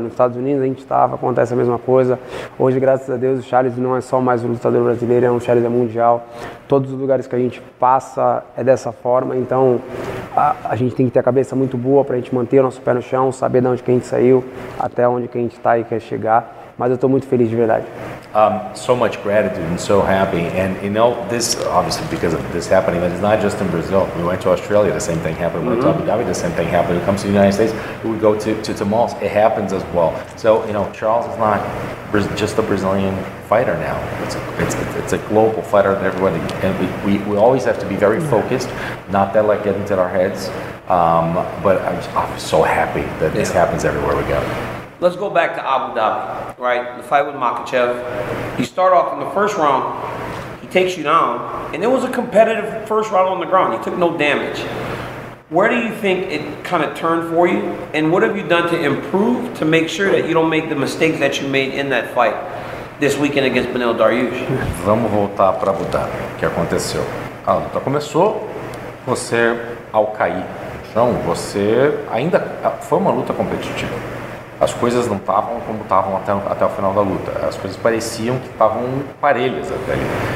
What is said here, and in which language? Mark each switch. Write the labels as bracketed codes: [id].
[pt] Nos Estados Unidos a gente estava, acontece a mesma coisa. Hoje, graças a Deus, o Charles não é só mais um lutador brasileiro, é um Charles mundial. Todos os lugares que a gente passa é dessa forma. Então, a gente tem que ter a cabeça muito boa para a gente manter o nosso pé no chão, saber de onde que a gente saiu, até onde que a gente está e quer chegar. Mas eu estou muito feliz de verdade. [en] So much gratitude and so happy. And you know, this obviously because of this happening, but it's not just in Brazil. We went to Australia, the same thing happened. We went to Abu Dhabi, the same thing happened. When it comes to the United States, we go to malls, it happens as well. So, you know, Charles is not just a Brazilian fighter now. It's a global fighter that everybody, and we always have to be very focused, not that like get into our heads. But I'm so happy that this happens everywhere we go. Let's go back to Abu Dhabi, right? The fight with Makhachev. You start off in the first round, he takes you down, and it was a competitive first round on the ground. You took no damage. Where do you think it kind of turned for you? And what have you done to improve to make sure that you don't make the mistakes that you made in that fight this weekend against Benil Dariush? [pt] Vamos voltar para Abu Dhabi. O que aconteceu? A luta começou, você, ao cair no chão, você ainda foi uma luta competitiva. As coisas não estavam como estavam até o final da luta. As coisas pareciam que estavam parelhas até ali.